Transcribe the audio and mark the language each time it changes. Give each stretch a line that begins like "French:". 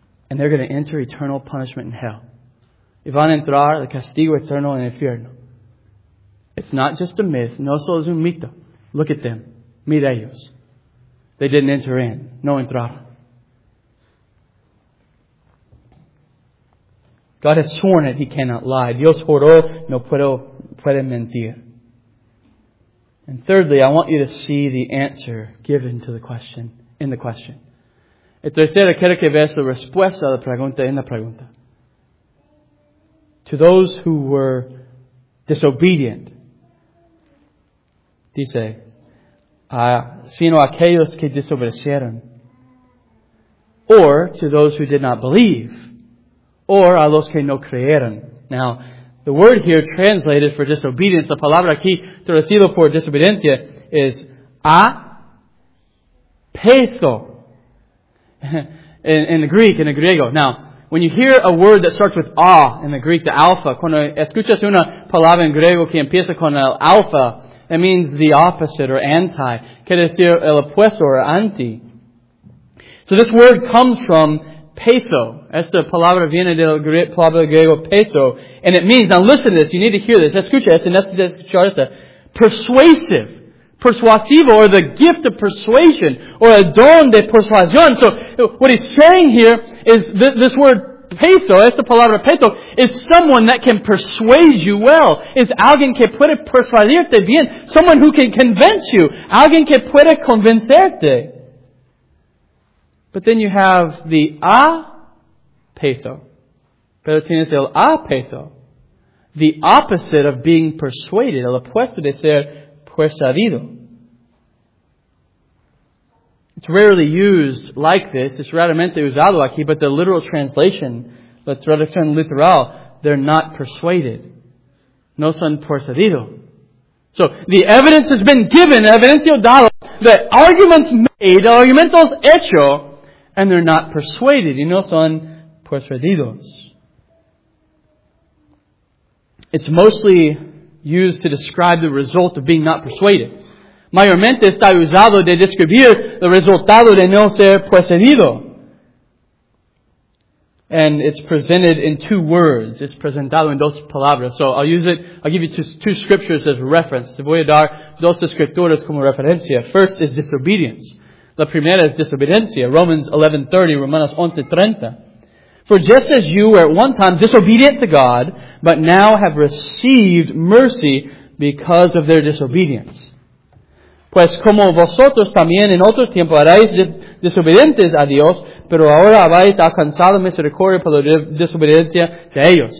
English: And they're going to enter eternal punishment in hell.
Spanish: Y van a entrar el castigo eterno en el infierno.
English: It's not just a myth.
Spanish: No solo es un mito.
English: Look at them.
Spanish: Mira ellos.
English: They didn't enter in.
Spanish: No entraron.
English: God has sworn it. He cannot lie.
Spanish: Dios juró. No puedo mentir.
English: And thirdly, I want you to see the answer given to the question, in the question.
Spanish: El tercero, quiero que veas la respuesta a la pregunta en la pregunta.
English: To those who were disobedient,
Spanish: dice, sino aquellos que desobedecieron,
English: or to those who did not believe, or
Spanish: a los que no creyeron.
English: Now, the word here translated for disobedience,
Spanish: la palabra aquí traducido por desobediencia is apetho.
English: In the Greek, in the griego. Now, when you hear a word that starts with A in the Greek, the alpha,
Spanish: cuando escuchas una palabra en griego que empieza con el alpha,
English: it means the opposite or anti.
Spanish: Quiere decir el opuesto or anti.
English: So this word comes from petho.
Spanish: Esta palabra viene del palabra griego petho.
English: And it means, now listen to this, you need to hear this.
Spanish: Escucha, es necesario escuchar esta.
English: Persuasive. Persuasivo, or the gift of persuasion, or
Spanish: a don de persuasión.
English: So, what he's saying here is this word petho,
Spanish: esta palabra petho,
English: is someone that can persuade you well.
Spanish: Es alguien que puede persuadirte bien.
English: Someone who can convince you.
Spanish: Alguien que puede convencerte.
English: But then you have the apetho.
Spanish: Pero tienes el apetho.
English: The opposite of being persuaded.
Spanish: El opuesto de ser persuadido.
English: It's rarely used like this. It's
Spanish: raramente usado aquí,
English: but the literal translation,
Spanish: la traducción literal,
English: they're not persuaded.
Spanish: No son persuadidos.
English: So, the evidence has been given,
Spanish: evidencia dada,
English: the arguments made, the
Spanish: argumentos hecho,
English: and they're not persuaded.
Spanish: Y no son persuadidos.
English: It's mostly used to describe the result of being not persuaded.
Spanish: Mayormente está usado de describir el resultado de no ser persuadido.
English: And it's presented in two words. It's
Spanish: presentado en dos palabras.
English: So I'll use it, I'll give you two scriptures as reference.
Spanish: Te voy a dar dos escrituras como referencia.
English: First is disobedience.
Spanish: La primera es desobediencia.
English: Romans 11:30, Romanos 11:30. For just as you were at one time disobedient to God, but now have received mercy because of their disobedience.
Spanish: Pues como vosotros también en otro tiempo erais desobedientes a Dios, pero ahora habéis alcanzado misericordia por la desobediencia de ellos.